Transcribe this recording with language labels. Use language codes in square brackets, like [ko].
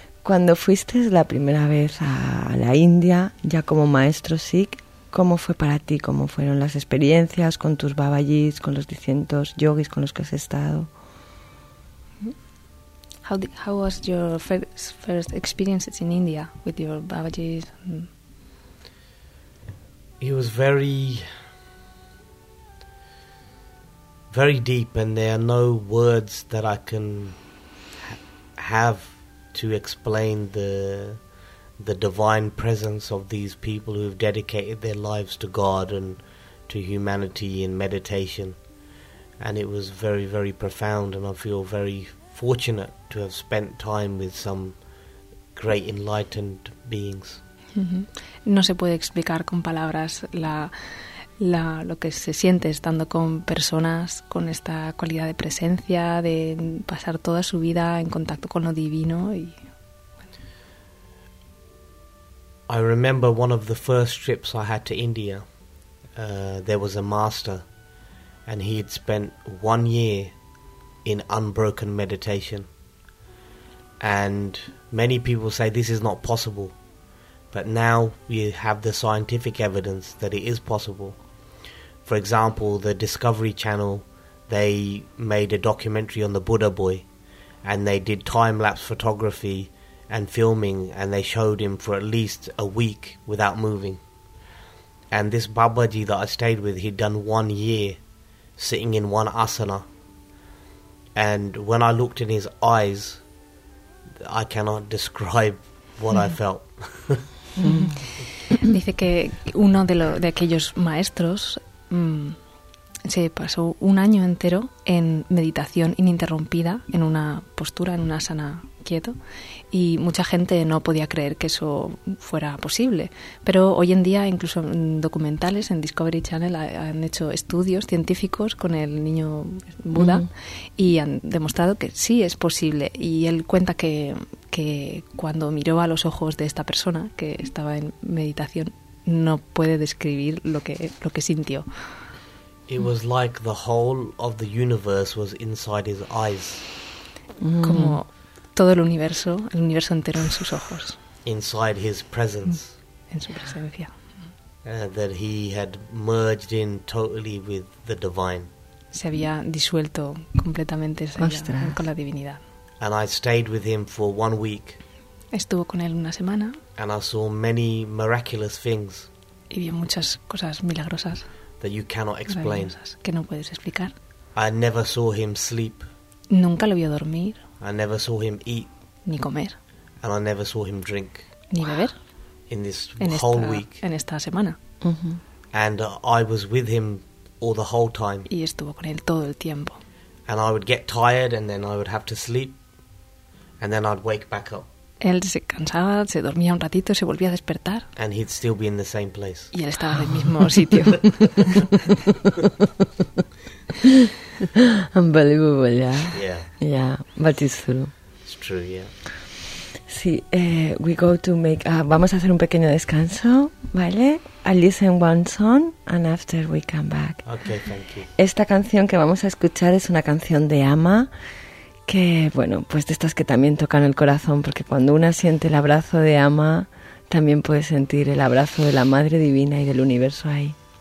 [es] Cuando fuiste la primera vez a la India, ya como maestro Sikh, ¿cómo fue para ti? ¿Cómo fueron las experiencias con tus babajis, con los distintos yogis con los que has estado? [en] How was your first experience in India with your babajis? It was very, very deep, and there are no words that I can have to explain the divine presence of these people who have dedicated their lives to God and to humanity in meditation. And it was very, very profound, and I feel very fortunate to have spent time with some great enlightened beings. [es] No se puede explicar con palabras lo que se siente estando con personas con esta cualidad de presencia, de pasar toda su vida en contacto con lo divino. Y [en] I remember one of the first trips I had to India. There was a master, and he had spent 1 year in unbroken meditation. And many people say this is not possible, but now we have the scientific evidence that it is possible. For example, the Discovery Channel, they made a documentary on the Buddha Boy, and they did time-lapse photography and filming, and they showed him for at least a week without moving. And this Babaji that I stayed with, he'd done 1 year sitting in one asana. And when I looked in his eyes, I cannot describe what I felt. [es] Dice que uno de aquellos maestros se pasó un año entero en meditación ininterrumpida, en una postura, en una asana quieto, y mucha gente no podía creer que eso fuera posible. Pero hoy en día, incluso en documentales, en Discovery Channel, han hecho estudios científicos con el niño Buda y han demostrado que sí es posible. Y él cuenta que cuando miró a los ojos de esta persona que estaba en meditación, no puede describir lo que sintió. [en] It was like the whole of the universe was inside his eyes. [es] Como todo el universo entero en sus ojos. [en] Inside his presence. [es] En su presencia. [en] That he had merged in totally with the divine. [es] Se había disuelto completamente con la divinidad. [en] And I stayed with him for 1 week. [es] Estuvo con él una semana. [en] And I saw many miraculous things. [es] Y vi muchas cosas milagrosas. [en] That you cannot explain. [es] Que no puedes explicar. [en] I never saw him sleep. [es] Nunca lo vi dormir. [en] I never saw him eat. [es] Ni comer. [en] And I never saw him drink. [es] Ni beber. [en] In this whole week. [es] En esta semana. [en] And I was with him all the whole time. [es] Y estuvo con él todo el tiempo. [en] And I would get tired, and then I would have to sleep, and then I'd wake back up. [es] Él se cansaba, se dormía un ratito, se volvía a despertar. [en] And he'd still be in the same place. [es] Y él estaba en el mismo sitio. [en] Unbelievable, yeah. Yeah. Yeah, but it's true. It's true, yeah. [es] Sí, [en] we go to make. [es] Vamos a hacer un pequeño descanso, ¿vale? [en] I listen one song and after we come back. Okay, thank you. [es] Esta canción que vamos a escuchar es una canción de Ama. Que, bueno, pues de estas que también tocan el corazón, porque cuando una siente el abrazo de Ama, también puede sentir el abrazo de la Madre Divina y del Universo ahí.